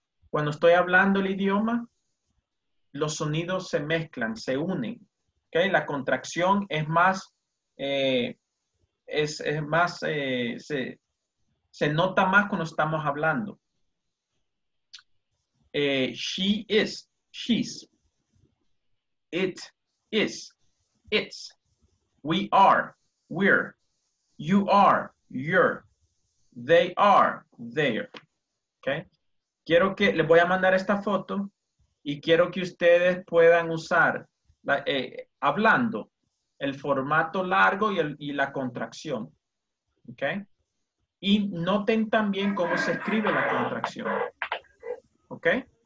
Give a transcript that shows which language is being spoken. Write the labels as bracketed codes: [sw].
[es] Cuando estoy hablando el idioma, los sonidos se mezclan, se unen. Okay? La contracción es más, se nota más cuando estamos hablando. [en] She is, she's, it is, it's, we are, we're, you are, you're, they are, they're, okay? [es] Quiero que, les voy a mandar esta foto y quiero que ustedes puedan usar, hablando, el formato largo y la contracción, okay? Y noten también cómo se escribe la contracción, okay?